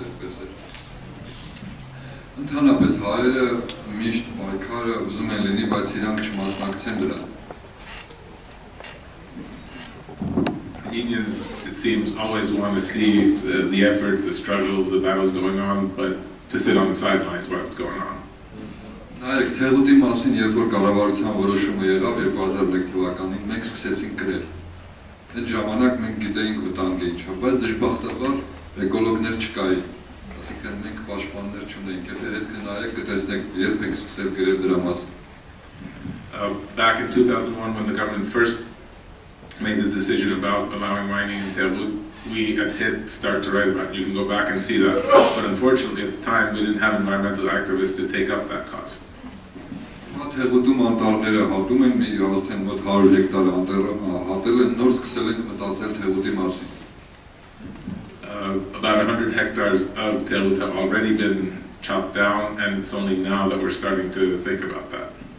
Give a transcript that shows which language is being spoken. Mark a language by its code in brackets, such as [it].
[hy] Ընդհանրապես հայերը միշտ պայքարը ուզում են լինի, բայց իրանք չմասնակցեն դրան։ [en] Armenians, it seems, always want to see the efforts, the struggles, the battles going on, but to sit on the sidelines while it's going on. [hy] Նայեք, Թեղուտի մասին, երբ որ կառավարության որոշումը եղավ 2001 թվականին, մենք սկսեցինք գրել։ Այդ ժամանակ մենք գիտեինք վտանգը ինչա, բայց դժբախտաբար էկոլոգներ չկային։ Այսինքն մենք պաշտպաններ չունենք, եթե հետքը նայեք, կտեսնեք, երբ ենք սկսել գրել դրա մասին։ [en] Back in 2001, when the government first made the decision about allowing mining in Tevut, we at Hetq started to write about it. You can go back and see that. But unfortunately, at the time, we didn't have environmental activists to take up that cause. [hy] Հիմա Թեղուտում անտառները հատում են, մի արդեն մոտ 100 հեկտար անտառ հատել են, նոր սկսել ենք մտածել Թեղուտի մասին։ [en] About 100 hectares of Tevut have already been chopped down, and it's only now that we're starting to think about that.